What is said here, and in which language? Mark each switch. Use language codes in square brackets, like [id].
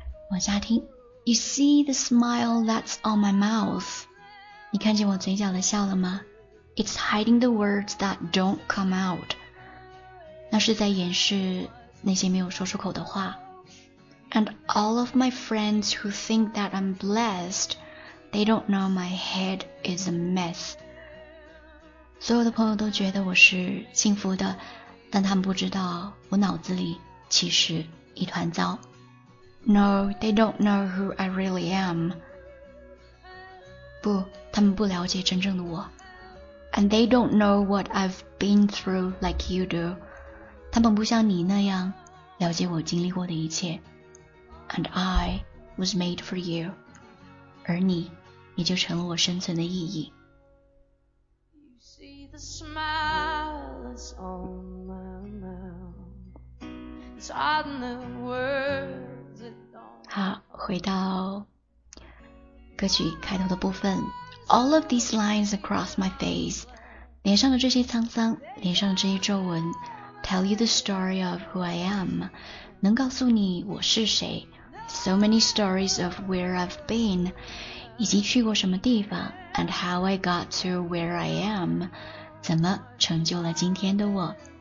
[zh] 往下听 [en] You see the smile that's on my mouth [zh] 你看见我嘴角的笑了吗 [en] It's hiding the words that don't come out [zh] 那是在掩饰那些没有说出口的话 [en] And all of my friends who think that I'm blessed They don't know my head is a mess [zh] 所有的朋友都觉得我是幸福的但他们不知道我脑子里其实一团糟 [en] No, they don't know who I really am. [zh] 不，他们不了解真正的我。 [en] And they don't know what I've been through like you do. [zh] 他们不像你那样了解我经历过的一切。 [en] And I was made for you. [zh] 而你也就成了我生存的意义。 [en] You see the smile that's on my mouth. It's on the word. [zh] 好，回到歌曲开头的部分 [en] All of these lines across my face [zh] 脸上的这些沧桑脸上的这些皱纹 [en] Tell you the story of who I am [zh] 能告诉你我是谁 [en] So many stories of where I've been [zh] 以及去过什么地方 [en] And how I got to where I am [zh] 怎么成就了今天的我